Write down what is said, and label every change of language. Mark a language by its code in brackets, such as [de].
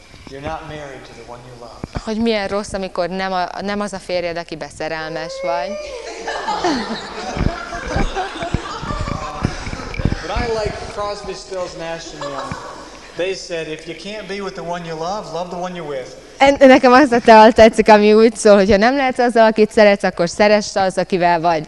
[en] You're not married to the one you love. [hu] Hogy milyen rossz, amikor nem az a férjed, aki beszerelmes vagy. [en] But I like Crosby, Stills, Nash and Young. They said if you can't be with the one you love, love the one you're with. [hu] Nekem az a tal tetszik, ami úgy szól, hogy ha nem lehetsz azzal, akit szeretsz, akkor szeress az, akivel vagy.